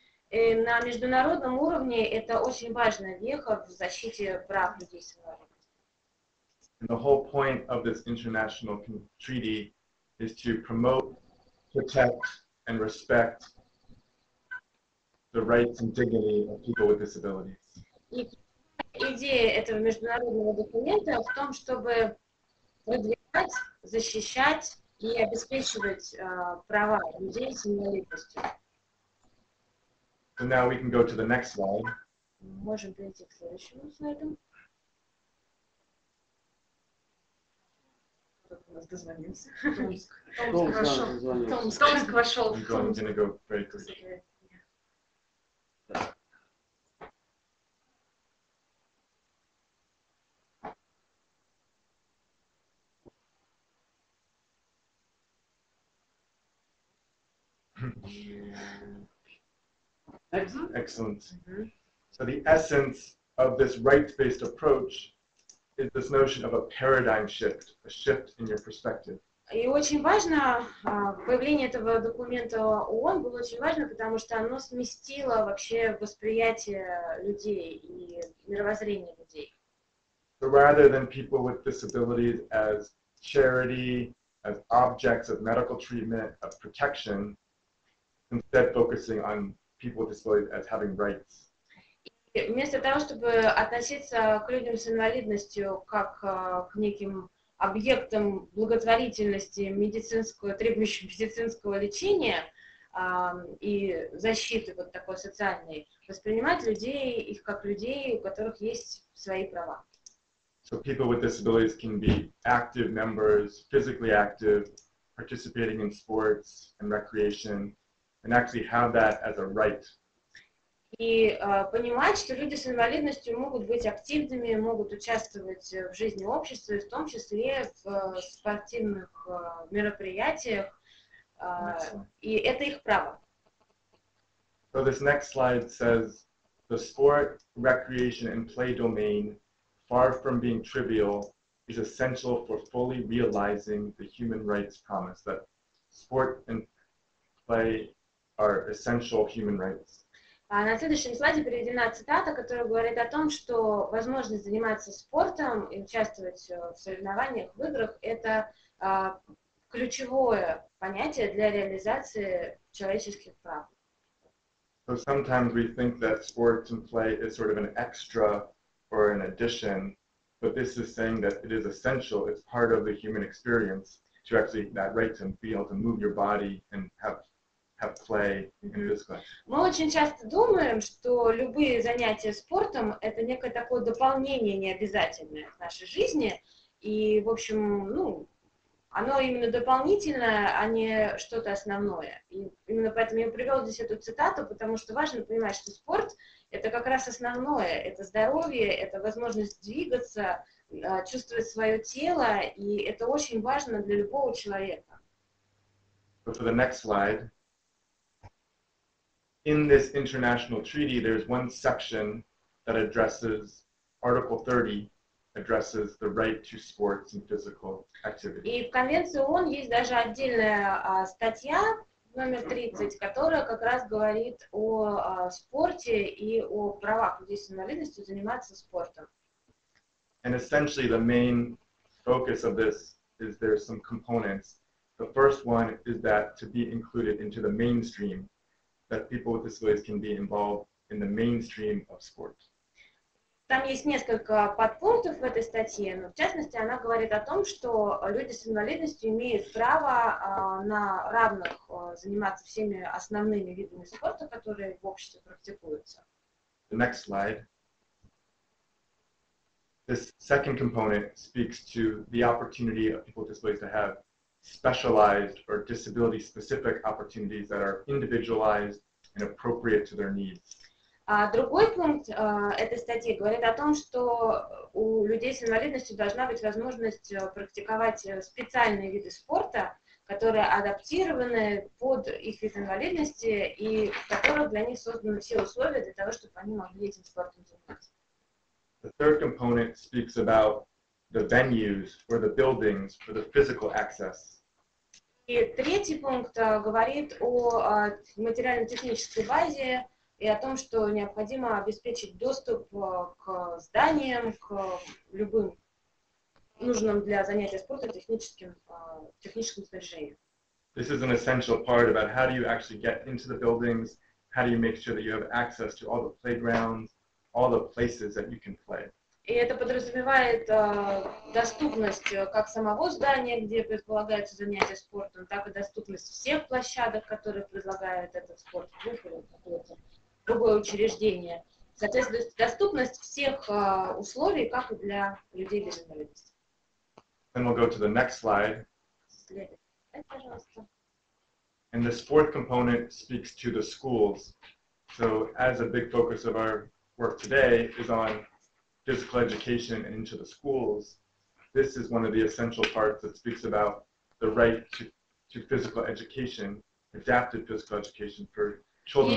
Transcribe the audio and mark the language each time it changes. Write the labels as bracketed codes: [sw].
[ru] И на международном уровне это очень важная веха в защите прав людей с инвалидностью. [en] And the whole point of this international treaty is to promote, protect, and respect the rights and dignity of people with disabilities. [ru] Идея этого международного документа в том, чтобы продвигать, защищать и обеспечивать права людей с инвалидностью. [en] So now we can go to the next slide. [ru] Можем перейти к следующему слайду. Кто у нас дозвонился? Томск. Томск вошел. [en] Томск. I'm going to go very quickly. Excellent. Mm-hmm. So the essence of this rights-based approach is this notion of a paradigm shift, a shift in your perspective. [ru] И очень важно, появление этого документа ООН было очень важно, потому что оно сместило вообще восприятие людей и мировоззрение людей. [en] So rather than people with disabilities as charity, as objects of medical treatment, of protection, instead focusing on people with disabilities as having rights. [ru] Вместо того, чтобы относиться к людям с инвалидностью как к неким объектам благотворительности, медицинского, требующим медицинского лечения и защиты вот такой социальной, воспринимать людей, их как людей, у которых есть свои права. [en] So people with disabilities can be active members, physically active, participating in sports and recreation, and actually have that as a right. [ru] И понимать, что люди с инвалидностью могут быть активными, могут участвовать в жизни общества, в том числе в спортивных мероприятиях, и это их право. [en] So this next slide says the sport, recreation, and play domain, far from being trivial, is essential for fully realizing the human rights promise, that sport and play are essential human rights. [ru] На следующем слайде приведена цитата, которая говорит о том, что возможность заниматься спортом и участвовать в соревнованиях, в играх – это ключевое понятие для реализации человеческих прав. [en] So sometimes we think that sports and play is sort of an extra or an addition, but this is saying that it is essential, it's part of the human experience to actually that right to be able to move your body and have play in physical. [ru] Мы очень часто думаем, что любые занятия спортом – это некое такое дополнение необязательное в нашей жизни, и, в общем, ну, оно именно дополнительное, а не что-то основное. И именно поэтому я привел здесь эту цитату, потому что важно понимать, что спорт – это как раз основное, это здоровье, это возможность двигаться, чувствовать свое тело, и это очень важно для любого человека. [en] But for the next slide. In this international treaty, there's one section that addresses Article 30, addresses the right to sports and physical activity. [ru] И в конвенции ООН есть даже отдельная статья номер 30, которая как раз говорит о спорте и о правах людей с инвалидностью заниматься спортом. [en] And essentially, the main focus of this is there's some components. The first one is that to be included into the mainstream, that people with disabilities can be involved in the mainstream of sport. [ru] Там есть несколько подпунктов в этой статье, но в частности она говорит о том, что люди с инвалидностью имеют право на равных заниматься всеми основными видами спорта, которые в обществе практикуются. [en] The next slide. This second component speaks to the opportunity of people with disabilities to have specialized or disability-specific opportunities that are individualized and appropriate to their needs. [ru] Другой пункт этой статьи говорит о том, что у людей с инвалидностью должна быть возможность практиковать специальные виды спорта, которые адаптированы под их вид инвалидности и в которых для них созданы все условия для того, чтобы они могли этим спортом заниматься. [en] The third component speaks about the venues or the buildings for the physical access. [ru] И третий пункт говорит о материально-технической базе и о том, что необходимо обеспечить доступ к зданиям, к любым нужным для занятия спорта техническим снаряжением. [en] This is an essential part about how do you actually get into the buildings, how do you make sure that you have access to all the playgrounds, all the places that you can play. [ru] И это подразумевает доступность как самого здания, где предполагается занятие спортом, так и доступность всех площадок, которые предлагают этот спорт, или какое-то другое учреждение. Соответственно, доступность всех условий, как и для людей без инвалидности. [en] Then we'll go to the next slide. [ru] Следующий, пожалуйста. [en] And the sport component speaks to the schools. So as a big focus of our work today is on physical education and into the schools, this is one of the essential parts that speaks about the right to physical education, adapted physical education for children.